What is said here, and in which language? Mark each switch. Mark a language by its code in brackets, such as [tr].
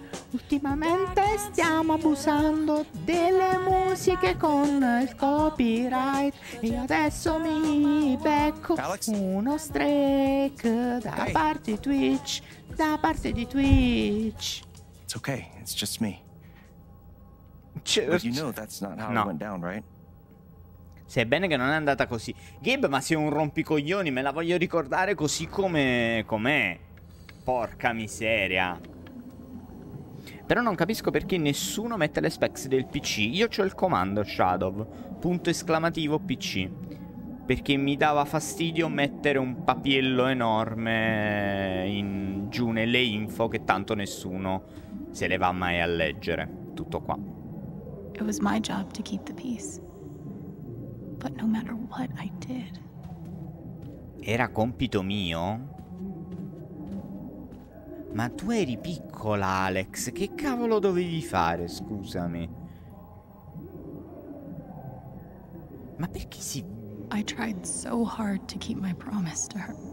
[it] Ultimamente stiamo abusando delle musiche con il copyright. E adesso mi becco uno strike da parte di Twitch. Da parte di Twitch. [en] It's okay, it's just me. But you know that's not how it went down, right? [it] Sebbene che non è andata così. Gabe, ma sei un rompicoglioni, me la voglio ricordare così come com'è. Porca miseria. Però non capisco perché nessuno mette le specs del PC. Io c'ho il comando Shadow, punto esclamativo PC. Perché mi dava fastidio mettere un papiello enorme in giù nelle info che tanto nessuno se le va mai a leggere. Tutto qua. [en] It was my job to keep the peace. But no matter what I did. [it] Era compito mio? Ma tu eri piccola, Alex. Che cavolo dovevi fare, scusami? Ma perché si... [en] I tried so hard to keep my promise to her.